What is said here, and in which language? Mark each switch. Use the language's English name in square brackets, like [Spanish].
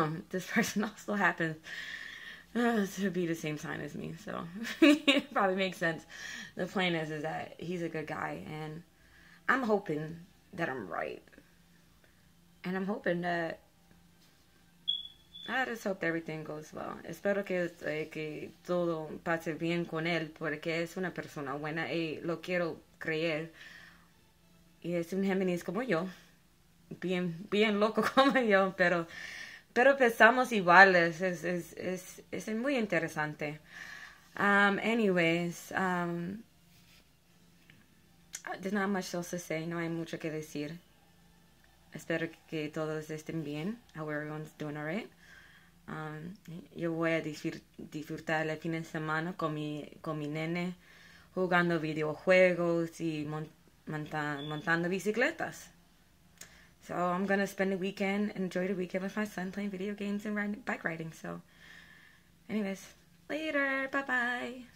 [English] This person also happens to be the same sign as me, so it probably makes sense. The plan is that he's a good guy, and I'm hoping that I'm right. And I'm hoping that I just hope everything goes well. [Spanish] Espero que todo pase bien con él, porque es una persona buena y lo quiero creer. Y es un Géminis como yo, bien loco como yo, pero pensamos iguales. Es muy interesante. [English] Anyways, there's not much else to say. [Spanish] No hay mucho que decir. Espero que todos estén bien. [English] How everyone's doing, all right? [Spanish] Yo voy a disfrutar el fin de semana con mi nene jugando videojuegos y montando bicicletas. [English] So I'm gonna spend the weekend, enjoy the weekend with my son playing video games and riding, bike riding. So, anyways, later, bye bye.